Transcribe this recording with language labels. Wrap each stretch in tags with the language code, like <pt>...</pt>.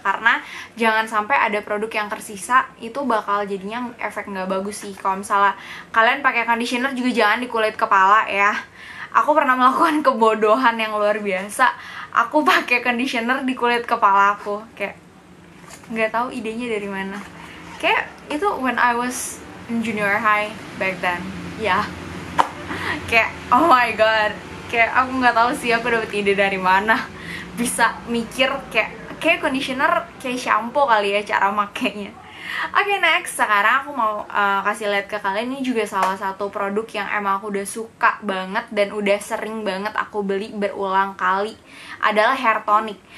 <id>Karena jangan sampai ada produk yang tersisa, itu bakal jadinya efek nggak bagus sih. Kalau misalnya kalian pakai conditioner juga jangan di kulit kepala ya. Aku pernah melakukan kebodohan yang luar biasa. Aku pakai conditioner di kulit kepala aku. Kayak, nggak tahu idenya dari mana. Kayak, itu</id> <en>when I was in junior high back then.</en> <id>Ya.</id> <en>Yeah.</en> <id>Kayak,</id> <en>oh my god.</en> <id>Kayak aku nggak tahu sih aku dapet ide dari mana bisa mikir kayak conditioner kayak shampoo kali ya cara makainya. Oke, next, sekarang aku mau kasih lihat ke kalian, ini juga salah satu produk yang emang aku udah suka banget dan udah sering banget aku beli berulang kali, adalah hair tonic.</id>